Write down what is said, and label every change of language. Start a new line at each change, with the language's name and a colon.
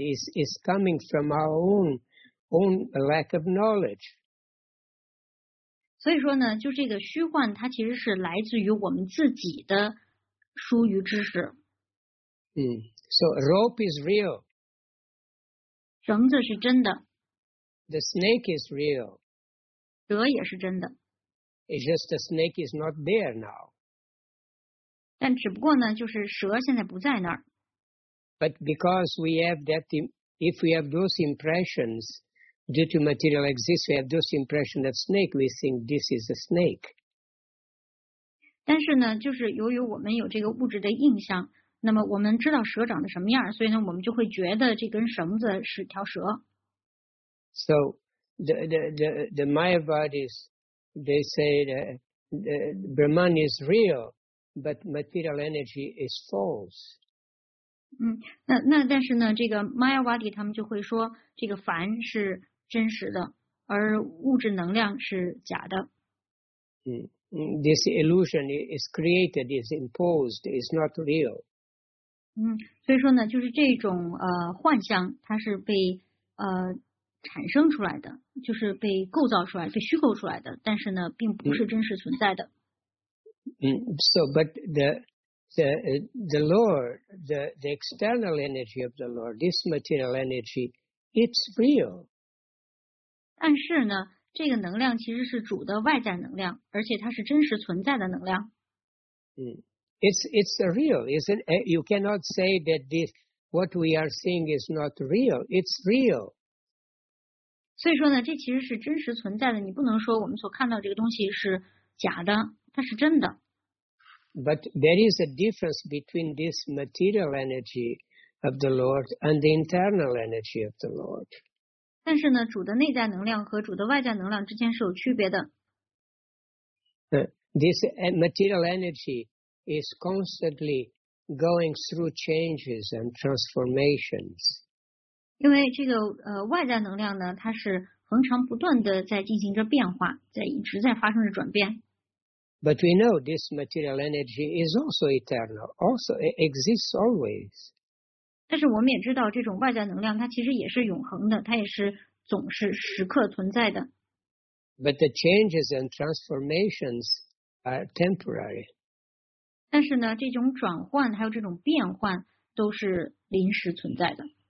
English: It's coming from our own lack of knowledge.
Chinese: 所以说呢，就这个虚幻，它其实是来自于我们自己的疏于知识。
English: So rope is real.
Chinese: 绳子是真的。
English: The snake is real.
Chinese: 蛇也是真的。
English: It's just the snake is not there now.
Chinese: 但只不过呢，就是蛇现在不在那儿。
English: But because we have that If we have those impressions due to material existence, we have those impressions of snake, we think this is a snake.
Chinese: 但是呢，就是由于我们有这个物质的印象，那么我们知道蛇长得什么样，所以呢，我们就会觉得这根绳子是条蛇。
English: So the Mayavadis, they say that Brahman is real, but material energy is false.
Chinese: 嗯，那但是呢，这个 Mayavadi 他们就会说，这个凡是真实的，而物质能量是假的。嗯。
English: This illusion is created, is imposed, is not real.
Chinese: 嗯，所以说呢，就是这种幻象，它是被产生出来的，就是被构造出来、被虚构出来的，但是呢，并不是真实存在的。
English: 嗯、so, but the Lord, the external energy of the Lord, this material energy, it's real.
Chinese: 但是呢。这个能量其实是主的外在能量，而且它是真实存在的能量。
English: It's real, isn't it? You cannot say that this what we are seeing is not real. It's real.
Chinese: 所以说呢，这其实是真实存在的。你不能说我们所看到这个东西是假的，它是真的。
English: But there is a difference between this material energy of the Lord and the internal energy of the Lord.
Chinese: 但是呢，主的内在能量和主的外在能量之间是有区别的。
English: This material energy is constantly going through changes and transformations.
Chinese: 因为这个外在能量呢，它是恒常不断的在进行着变化，在一直在发生着转变。
English: But we know this material energy is also eternal, also exists always.
Chinese: 但是我们也知道，这种外在能量它其实也是永恒的，它也是总是时刻存在的。
English: But the changes and transformations are temporary.
Chinese: 但是呢，这种转换还有这种变换都是临时存在的。